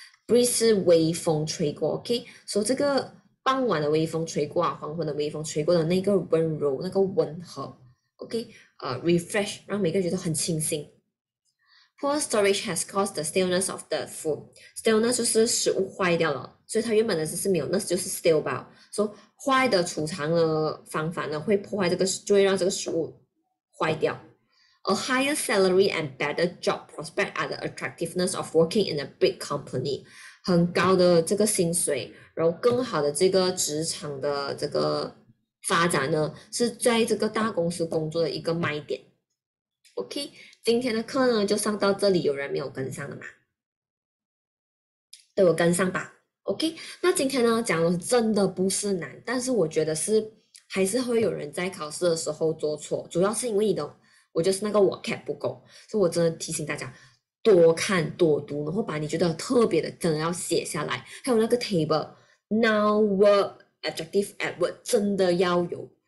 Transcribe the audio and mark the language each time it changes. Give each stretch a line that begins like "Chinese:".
Chinese: Breeze 是微风吹过，OK，所以这个傍晚的微风吹过啊，黄昏的微风吹过的那个温柔，那个温和，OK，refresh 让每个人觉得很清新。
English: Poor storage has caused the staleness of the food.
Chinese: Staleness 就是食物坏掉了，所以它原本的是没有，那就是 stale 吧。说、so, 坏的储藏的方法呢，会破坏这个，就会让这个食物坏掉。
English: A higher salary and better job prospect are the attractiveness of working in a big company.
Chinese: 很高的这个薪水，然后更好的这个职场的这个发展呢，是在这个大公司工作的一个卖点。 OK，今天的课呢就上到这里，有人没有跟上的吗？都有跟上吧？OK，那今天呢讲的真的不是难，但是我觉得是还是会有人在考试的时候做错，主要是因为你的，我就是那个 vocab 不够，所以我真的提醒大家多看多读，然后把你觉得特别的真的要写下来，还有那个 table、noun、verb、adjective、adverb 真的要有。